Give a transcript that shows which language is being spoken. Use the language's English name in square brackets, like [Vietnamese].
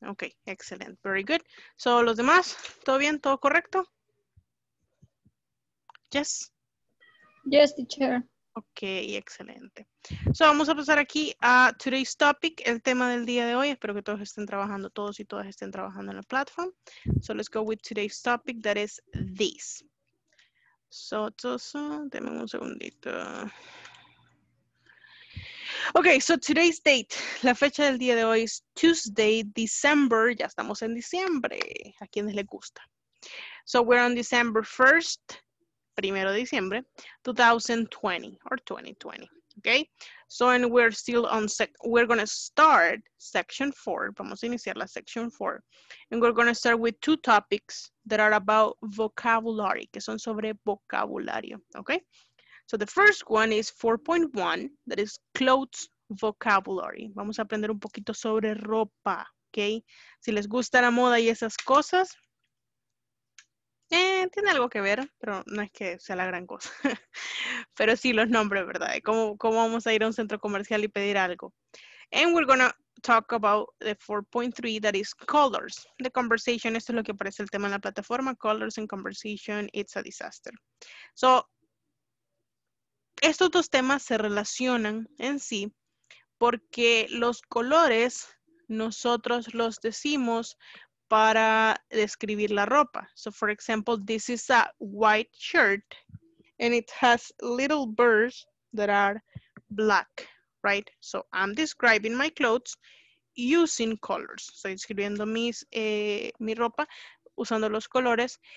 [Spanish] Ok, excelente, very good. So, los demás, ¿todo bien? ¿Todo correcto? [English] Yes. Yes, teacher. [Spanish] Ok, excelente. So, vamos a pasar aquí a today's topic, el tema del día de hoy. Espero que todos estén trabajando, todos y todas estén trabajando en la platform. [English] So, let's go with today's topic, that is this. [Spanish] So, denme un segundito. Ok, [English] so today's date, [Spanish] la fecha del día de hoy es Tuesday, December. Ya estamos en diciembre, a quienes les gusta. [English] So, we're on December 1st. [Spanish] Primero de diciembre, [English] 2020, or 2020, okay? So, and we're still on, we're going to start section 4, [Spanish] vamos a iniciar la section 4, [English] and we're going to start with two topics that are about vocabulary, [Spanish] que son sobre vocabulario, [English] okay? So, the first one is 4.1, that is clothes vocabulary. [Spanish] Vamos a aprender un poquito sobre ropa, okay? Si les gusta la moda y esas cosas, tiene algo que ver, pero no es que sea la gran cosa. Pero sí, los nombres, ¿verdad? ¿Cómo vamos a ir a un centro comercial y pedir algo? [English] And we're going to talk about the 4.3, that is colors. The conversation, [Spanish] esto es lo que aparece el tema en la plataforma. [English] Colors and conversation, it's a disaster. [Spanish] So, estos dos temas se relacionan en sí porque los colores nosotros los decimos para describir la ropa. [English] So, for example, this is a white shirt and it has little birds that are black, right? So, I'm describing my clothes using colors. [Spanish] Estoy describiendo mi ropa usando los colores.